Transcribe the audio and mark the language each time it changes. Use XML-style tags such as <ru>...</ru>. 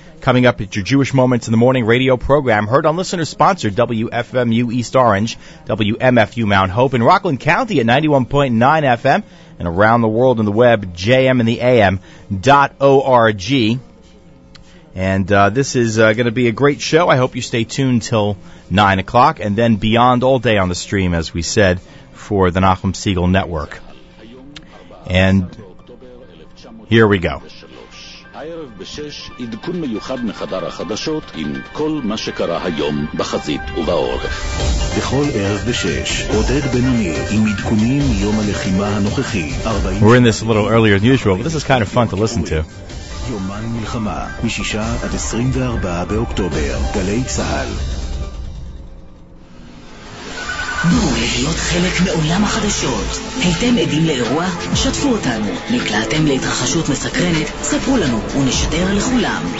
<en>Coming up at your Jewish Moments in the Morning radio program, heard on listener-sponsored WFMU East Orange, WMFU Mount Hope, in Rockland County at 91.9 FM, and around the world on the web, jmintheam.org. And this is going to be a great show. I hope you stay tuned till 9 o'clock, and then beyond all day on the stream, as we said, for the Nahum Segal Network. And here we go.</en> <he>הערב בשש עדכון מיוחד מחדר החדשות עם כל מה שקרה היום בחזית ובעורף. בכל ערב בשש עודד בנימי עם עדכונים יום הלחימה הנוכחי.</he> <en>We're in this a little earlier than usual, but this is kind of fun to listen to.</en> <he>יומן מלחמה משישה עד 24 באוקטובר, גלי צהל. בואו להיות חלק מעולם החדשות. הייתם עדים לאירוע? שתפו אותנו. נקלעתם להתרחשות מסקרנת? ספרו לנו ונשדר לכולם.</he>